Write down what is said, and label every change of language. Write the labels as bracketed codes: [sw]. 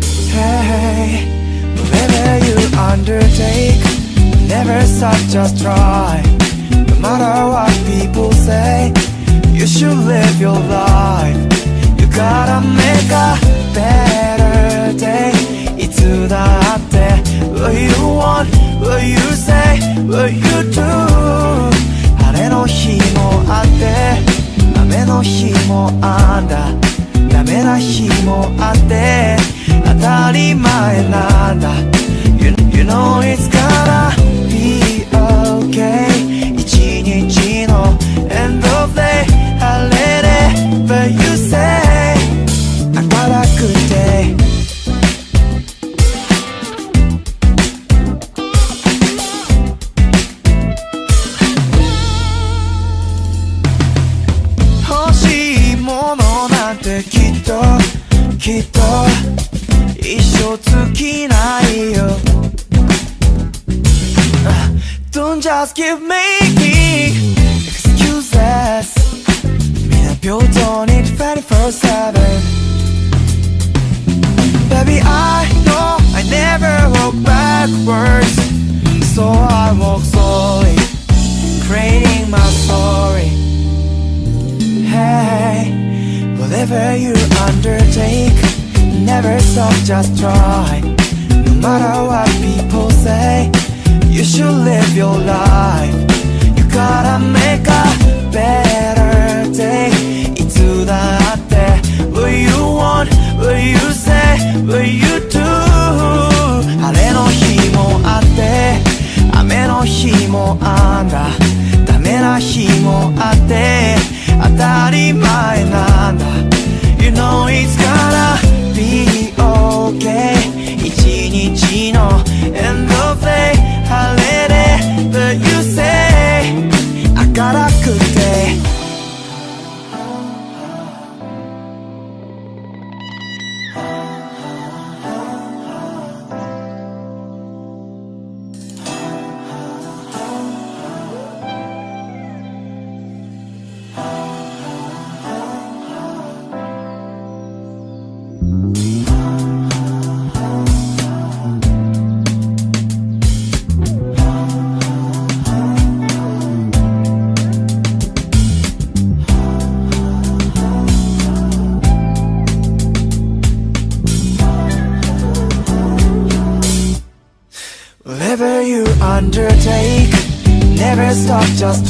[en] Hey, whatever you undertake, never stop, just try. No matter what people say, you should live your life. You gotta make a better day. [ja] いつだって [en] What you want, what you say, what you do. [ja] 晴れの日もあって雨の日もあんだ。ダメな日もあって当たり前なんだ。 [en] You know it's gonna be okay. [ja] 一日の [en] end of day. [ja] 晴れで [en] But you say [ja] 明るくて欲しいものなんてきっときっと一生尽きないよ。 [en] Don't just give making excuses. [ja] 皆平等に 24/7. [en] Baby, I know I never walk backwards, so I walk slowly, creating my story. Hey, whatever you undertake. Never stop, just try. No matter what people say, you should live your life. You gotta make a better day. [ja] いつだって [en] What you want, what you say, what you do. [ja] 晴れの日もあって雨の日もあんだ。ダメな日もあって当たり前なんだ。 [en] You know it's gonna beJust